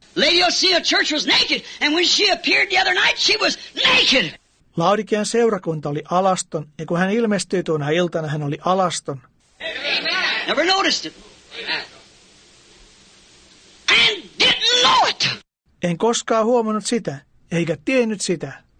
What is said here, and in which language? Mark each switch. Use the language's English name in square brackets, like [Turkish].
[English] Laodicea church was naked, and when she appeared the other night, she was naked. [Finnish] Laodikean seurakunta oli alaston, ja kun hän ilmestyi tuona iltana, hän oli alaston. [English] Amen. Never noticed it. And didn't know it. [Finnish] En koskaan huomannut sitä, eikä tiennyt sitä.